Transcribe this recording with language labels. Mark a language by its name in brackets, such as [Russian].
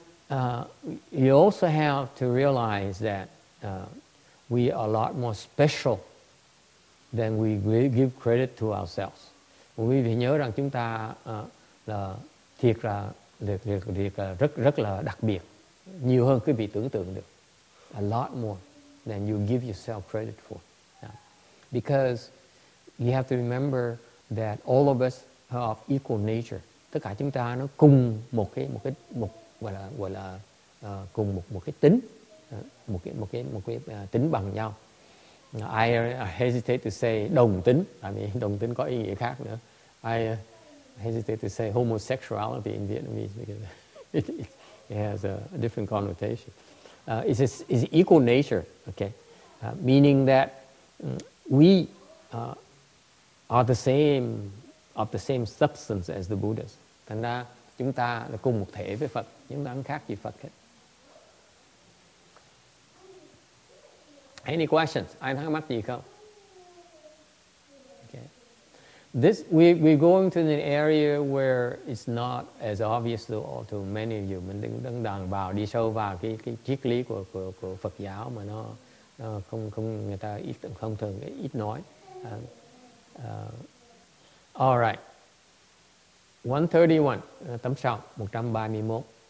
[English] You also have to realize that we are a lot more special than we give credit to ourselves. [Vietnamese] Quý vị nhớ rằng chúng ta là thiệt là được rất rất là đặc biệt, nhiều hơn quý vị tưởng tượng được. [English] A lot more than you give yourself credit for. Yeah. Because you have to remember that all of us are of equal nature. [Vietnamese] Tất cả chúng ta nó cùng một cái tính bằng nhau. [English] I hesitate to say [Vietnamese] đồng tính, tại vì đồng tính có ý nghĩa khác nữa. [English] I hesitate to say homosexuality in Vietnamese because it has a different connotation. It's equal nature, okay? Meaning that we are the same, of the same substance as the Buddhas. [Vietnamese] Thành ra, chúng ta là cùng một thể với Phật, chúng ta không khác gì Phật hết. [English] Any questions? [Vietnamese] Ai thắc mắc gì không? [English] Okay. This, we're going to an area where it's not as obvious to many of you. [Vietnamese] Mình đang đàn vào, đi sâu vào cái triết lý của Phật giáo mà nó không người ta ít, không thường ít nói. [English] All right. [Vietnamese] 131. Tấm sau 131.